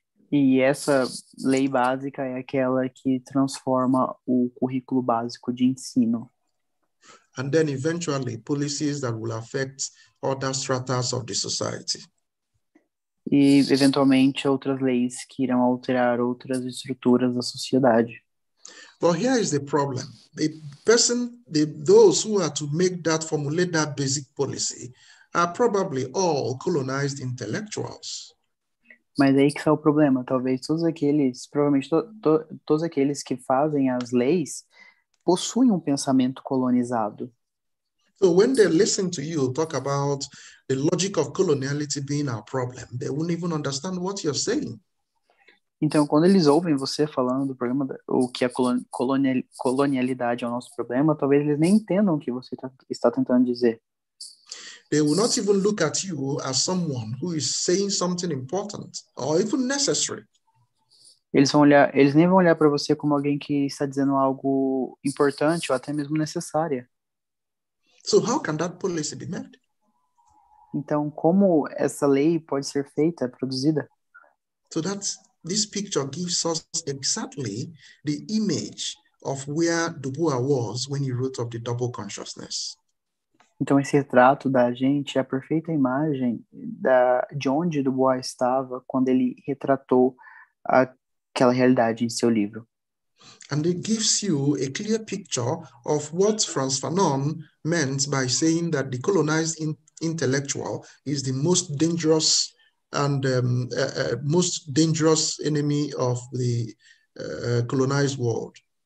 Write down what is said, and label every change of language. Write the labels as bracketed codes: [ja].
[pt] E essa lei básica é aquela que transforma o currículo básico de ensino. [en] And then, eventually, policies that will affect other strata of the society. [pt] E, eventualmente, outras leis que irão alterar outras estruturas da sociedade. [en] Well, here is the problem. The person, those who are to make that, formulate that basic policy, are probably all colonized intellectuals. [pt] Mas aí que está o problema. Talvez todos aqueles, provavelmente todos aqueles que fazem as leis, possuem um pensamento colonizado. [en] So when they listen to you talk about the logic of coloniality being our problem, they won't even understand what you're saying. [pt] Então, quando eles ouvem você falando do problema, o que a colonialidade é o nosso problema, talvez eles nem entendam o que você está tentando dizer. [en] They will not even look at you as someone who is saying something important or even necessary. [pt] Eles nem vão olhar para você como alguém que está dizendo algo importante ou até mesmo necessário. [en] So how can that policy be made? [pt] Então, como essa lei pode ser feita, produzida? [en] So that's, this picture gives us exactly the image of where Dubois was when he wrote of the double consciousness. [pt] Então, esse retrato da gente é a perfeita imagem de onde Dubois estava quando ele retratou aquela realidade em seu livro. [en] And it gives you a clear picture of what Frantz Fanon meant by saying that the colonized intellectual is the most dangerous and most dangerous enemy of the colonized world.